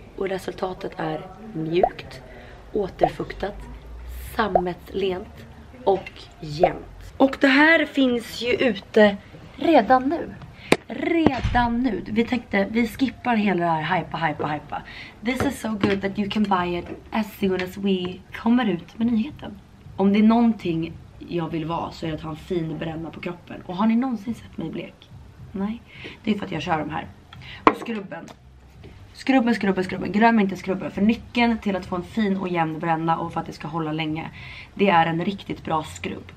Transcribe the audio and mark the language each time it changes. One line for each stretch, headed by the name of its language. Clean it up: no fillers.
Swedish: Och resultatet är mjukt, återfuktat, sammetslent och jämnt. Och det här finns ju ute redan nu. Redan nu. Vi tänkte, vi skippar hela det här hypa.
English: This is so good that you can buy it as soon as we
Swedish: kommer ut med nyheten. Om det är någonting jag vill vara så är det att ha en fin bränna på kroppen. Och har ni någonsin sett mig blek? Nej. Det är för att jag kör de här. Och skrubben. Skrubben. Glöm inte skrubben. För nyckeln till att få en fin och jämn bränna och för att det ska hålla länge, det är en riktigt bra skrubb.